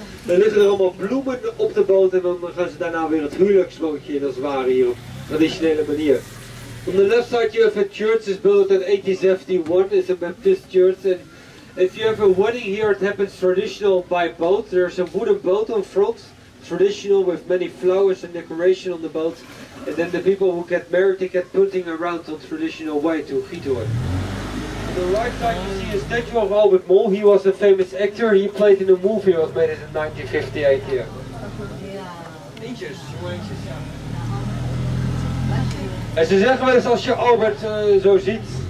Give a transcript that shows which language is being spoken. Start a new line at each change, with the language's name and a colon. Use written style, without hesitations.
Dutch: Dan liggen er allemaal bloemen op de boot en dan gaan ze daarna weer het huwelijksbootje in als het ware hier op traditionele manier.
English: On the left side you have a church is built in 1871, it's a Baptist church. And if you have a wedding here it happens traditional by boat. There's a wooden boat on front, traditional with many flowers and decoration on the boat. And then the people who get married they get punting around on traditional way to Giethoorn. On the right side you see a statue of Albert Mol. He was a famous actor. He played in a movie that was made in 1958 here. Yeah.
Dutch: En ze zeggen wel eens als je Albert zo ziet.